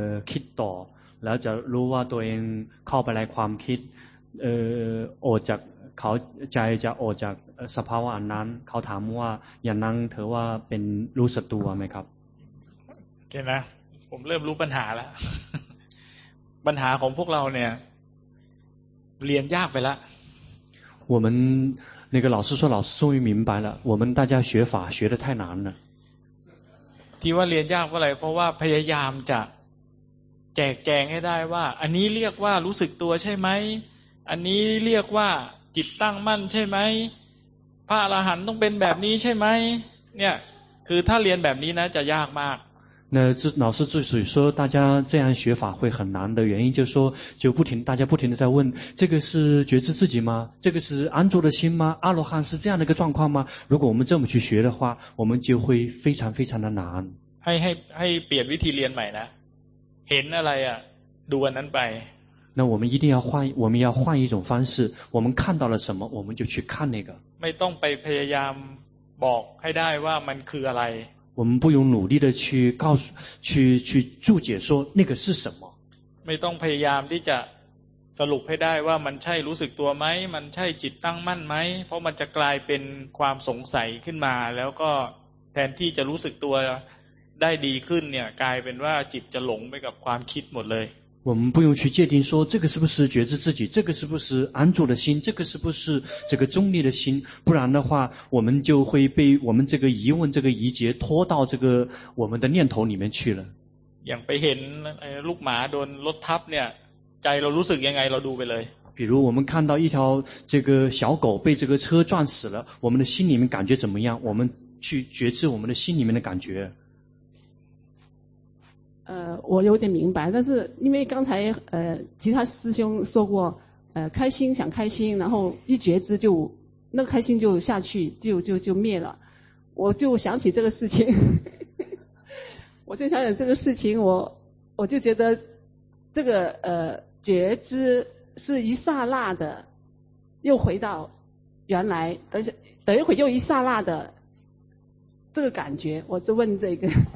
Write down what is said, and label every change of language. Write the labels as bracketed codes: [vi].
[th] คิดต่อแล้วจะรู้ว่าตัวเองเข้าไปในความคิดออกจากเขาใจจะออกจากสภาวะนั้นเขาถามว่าอย่างนั้นถือว่าเป็นรู้สึกตัวไหมครับ โอเคนะผมเริ่มรู้ปัญหาแล้ว ปัญหาของพวกเราเนี่ยเรียนยากไปแล้ว [zh] 我们那个老师说老师终于明白了我们大家学法学得太难了 [th] ที่ว่าเรียนยากเพราะอะไรเพราะว่าพยายามจะแจกแจงให้ได้ว่าอันนี้เรียกว่ารู้สึกตัวใช่ไหมอันนี้เรียกว่าจิตตั้งมั่นใช่ไหมพระอรหันต์ต้องเป็นแบบนี้ใช่ไหมเนี่ยคือถ้าเรียนแบบนี้นะจะยากมาก [zh] 那老师之所以说大家这样学法会很难的原因，就是说就不停，大家不停的在问：这个是觉知自己吗？这个是安住的心吗？阿罗汉是这样的一个状况吗？如果我们这么去学的话，我们就会非常非常的难。 [th] ให้เปลี่ยนวิธีเรียนใหม่นะ。 เห็นอะไรอ่ะ？ ดูอันนั้นไป。 [zh] 那我们一定要换，我们要换一种方式。我们看到了什么，我们就去看那个。 [th] ไม่ต้องไปพยายามบอกให้ได้ว่ามันคืออะไร。 [zh] 我们不用努力的去告诉去注解说那个是什么 [th] ไม่ต้องพยายามที่จะสรุปให้ได้ว่ามันใช่รู้สึกตัวไหมมันใช่จิตตั้งมั่นไหมเพราะมันจะกลายเป็นความสงสัยขึ้นมาแล้วก็แทนที่จะรู้สึกตัวได้ดีขึ้นเนี่ยกลายเป็นว่าจิตจะหลงไปกับความคิดหมดเลย [zh] 我们不用去界定说这个是不是觉知自己这个是不是安住的心这个是不是这个中立的心不然的话我们就会被我们这个疑问这个疑结拖到这个我们的念头里面去了 [th] อย่างไปเห็นลูกหมาโดนรถทับเนี่ยใจเรารู้สึกยังไงเราดูไปเลย [zh] 比如我们看到一条这个小狗被这个车撞死了我们的心里面感觉怎么样我们去觉知我们的心里面的感觉我有点明白但是因为刚才其他师兄说过开心想开心然后一觉知就那个开心就下去就灭了我就想起这个事情我就想起这个事情我就觉得这个觉知是一刹那的又回到原来等一会又一刹那的这个感觉我就问这个